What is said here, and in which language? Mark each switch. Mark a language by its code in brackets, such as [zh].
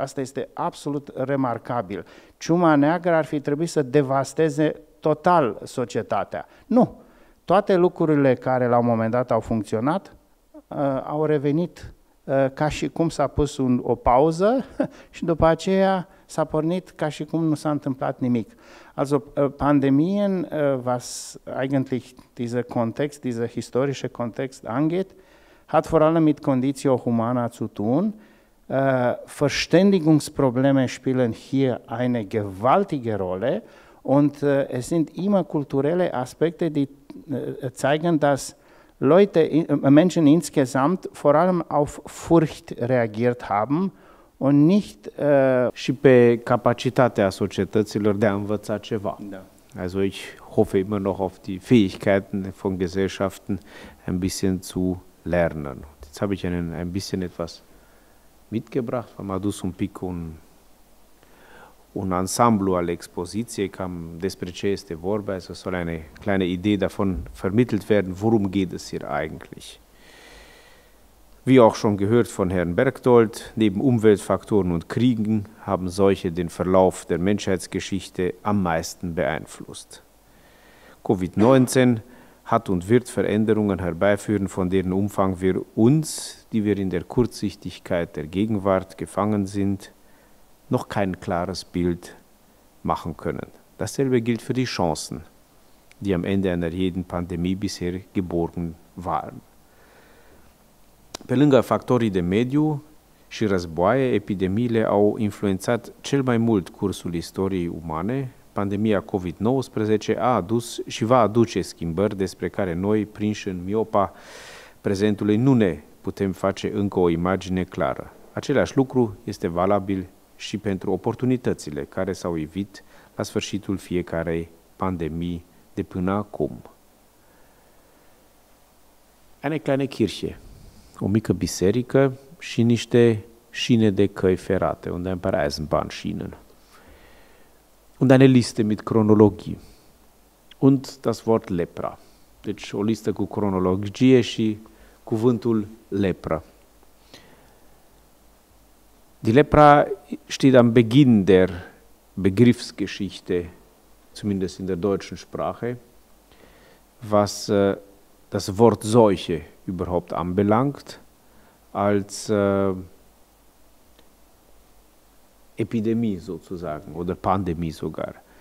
[ro] Asta este absolut remarcabil. Ciuma neagră ar fi trebuit să devasteze total societatea. Nu! Toate lucrurile care la un moment dat au funcționat au revenit ca și cum s-a pus o pauză și după aceea s-a pornit ca și cum nu s-a întâmplat nimic. [de] Also, Pandemien, was eigentlich dieser Kontext, dieser historische Kontext angeht, hat vor allem mit Conditio Humana zu tun. Verständigungsprobleme spielen hier eine gewaltige Rolle und es sind immer kulturelle Aspekte, die zeigen, dass Leute, Menschen insgesamt vor allem auf Furcht reagiert haben und nicht [ro] și pe capacitatea societăților de a învăța ceva. Da. [de] Also ich hoffe immer noch auf die Fähigkeiten von Gesellschaften ein bisschen zu lernen. Jetzt habe ich Ihnen ein bisschen etwas mitgebracht, [ro] am adus un pic un ansamblu al expoziției, cam despre ce este vorba, [de] also soll eine kleine Idee davon vermittelt werden, worum geht es hier eigentlich. Wie auch schon gehört von Herrn Bergdolt, neben Umweltfaktoren und Kriegen haben solche den Verlauf der Menschheitsgeschichte am meisten beeinflusst. Covid-19 hat und wird Veränderungen herbeiführen, von deren Umfang wir uns, die wir in der Kurzsichtigkeit der Gegenwart gefangen sind, noch kein klares Bild machen können. Dasselbe gilt für die Chancen, die am Ende einer jeden Pandemie bisher geborgen waren. [ro] Pe lângă factorii de mediu și războaie, epidemiile au influențat cel mai mult cursul istoriei umane. Pandemia COVID-19 a adus și va aduce schimbări despre care noi, prinși în miopa prezentului, nu ne putem face încă o imagine clară. Același lucru este valabil și pentru oportunitățile care s-au ivit la sfârșitul fiecarei pandemii de până acum. [de] Eine kleine Kirche. [ro] O mică biserică și niște șine de căi ferate, unde [de] ein paar Eisenbahnschienen. Und eine Liste mit Chronologie. Und das Wort Lepra. [ro] Deci o listă cu cronologie și cuvântul Lepra. [de] Die Lepra steht am Beginn der Begriffsgeschichte, zumindest in der deutschen Sprache, was das Wort Seuche überhaupt anbelangt, als Epidemie sozusagen oder Pandemie sogar.